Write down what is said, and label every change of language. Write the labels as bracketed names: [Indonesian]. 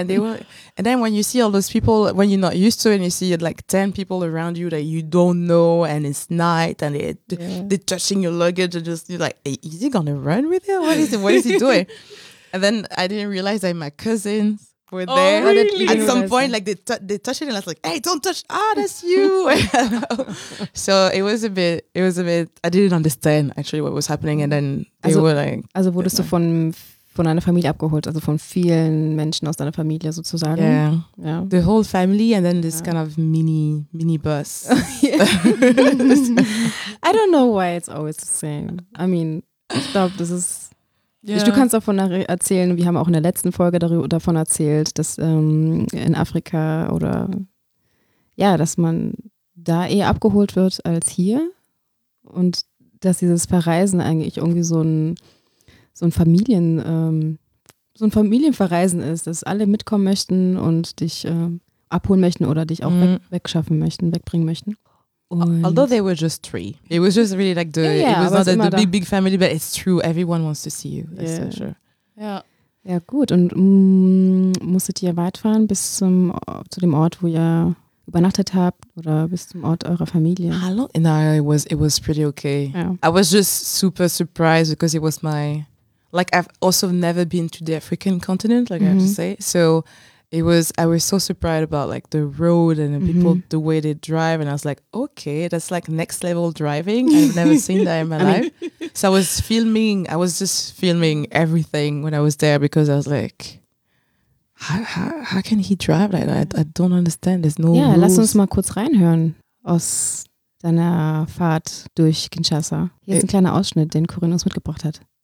[English] And they were and then when you see all those people when you're not used to it and you see it like 10 people around you that you don't know and it's night and they're touching your luggage and just you're like, hey, is he gonna run with it? What is he doing? And then I didn't realize that my cousins were there really? At some point, like they touched it and I was like, hey, don't touch, that's you. So it was a bit I didn't understand actually what was happening and then they also, were like [German] also wurdest du von deiner Familie abgeholt, also von vielen Menschen aus deiner Familie sozusagen. [English] Yeah. Yeah. The whole family and then this kind of mini bus. I don't know why it's always the same. I mean, [German] ich glaube, das ist [English] yeah. [German] Du kannst davon erzählen, wir haben auch in der letzten Folge davon erzählt, dass in Afrika oder ja, dass man da eher abgeholt wird als hier und dass dieses Verreisen eigentlich irgendwie so ein Familienverreisen ist, dass alle mitkommen möchten und dich abholen möchten oder dich auch wegschaffen möchten, wegbringen möchten. [English] Und although they were just three, it was just really like it was not the big family, but it's true, everyone wants to see you. That's for sure. [German] Ja, gut. Und musstet ihr weit fahren bis zu dem Ort, wo ihr übernachtet habt oder bis zum Ort eurer Familie? [English] Hallo? No, it was pretty okay. [German] Ja. [English] I was just super surprised because it was my, like I've also never been to the African continent, like I have to say. So I was so surprised about like the road and the people, the way they drive. And I was like, okay, that's like next level driving. I've never seen that in my life. So I was just filming everything when I was there because I was like, how can he drive like that? I don't understand. There's no rules. [German] Lass uns mal kurz reinhören aus deiner Fahrt durch Kinshasa. Hier ist ein kleiner Ausschnitt, den Corinne uns mitgebracht hat.